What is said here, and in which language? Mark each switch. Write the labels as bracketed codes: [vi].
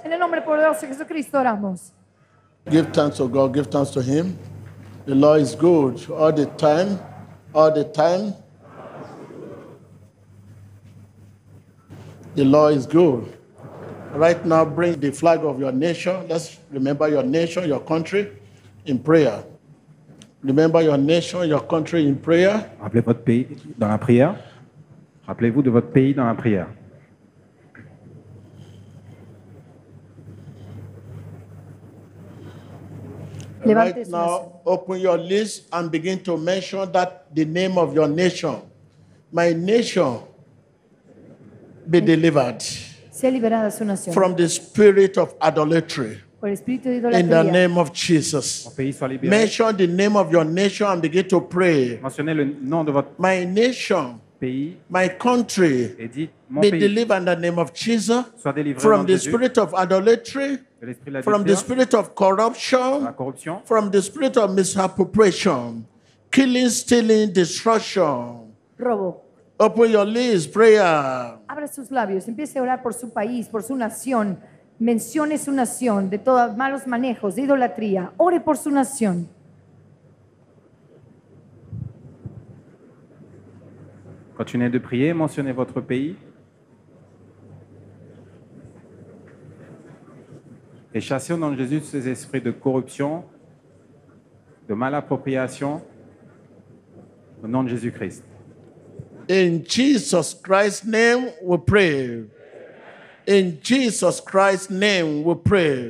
[es] En el nombre poderoso de Jesucristo oramos. [en] Give thanks to God. Give thanks to Him. The Lord is good all the time. All the time. The Lord is good. Right now, bring the flag of your nation. Let's remember your nation, your country, in prayer. Remember your nation, your country in prayer. [fr] Rappelez votre pays dans la prière. Rappelez-vous de votre pays dans la prière. [en] Right now, open your list and begin to mention that the name of your nation. My nation. Be delivered from the spirit of idolatry in the name of Jesus. Mention the name of your nation and begin to pray. My nation, my country, be delivered in the name of Jesus from the spirit of idolatry, from the spirit of corruption, from the spirit of misappropriation, killing, stealing, destruction. Open your lips, prayer. [es] Abre sus labios, empiece a orar por su país, por su nación. Mencione su nación de todos malos manejos, de idolatría. Ore por su nación. [fr] Continuez de prier, mentionnez votre pays. Et chassez au nom de Jésus ces esprits de corruption, de malappropriation, au nom de Jésus-Christ. [en] In Jesus Christ's name we pray. In Jesus Christ's name we pray.